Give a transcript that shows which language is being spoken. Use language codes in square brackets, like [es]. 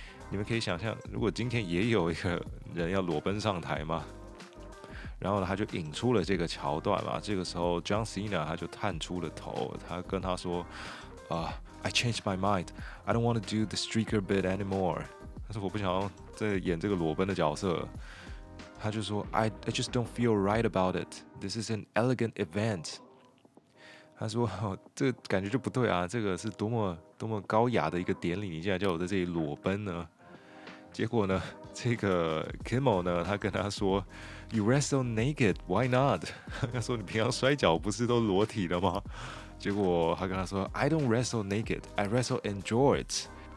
[zh] 你们可以想象，如果今天也有一个人要裸奔上台吗？然后他就引出了这个桥段嘛，这个时候 John Cena 他就探出了头，他跟他说 [en] I changed my mind, I don't want to do the streaker bit anymore. [zh] 他说我不想要再演这个裸奔的角色。他就说 [en] I just don't feel right about it, this is an elegant event. [zh] 他说：“哦，这感觉就不对啊，这个是多么高雅的一个典礼，你竟然叫我在这里裸奔呢？” 结果呢，这个 Kimmel 呢，他跟他说 ： [en] “You wrestle naked, why not？” [zh] 他说：“你平常摔跤不是都裸体了吗？” 结果他跟他说 [en] ：“I don't wrestle naked, I wrestle in shorts.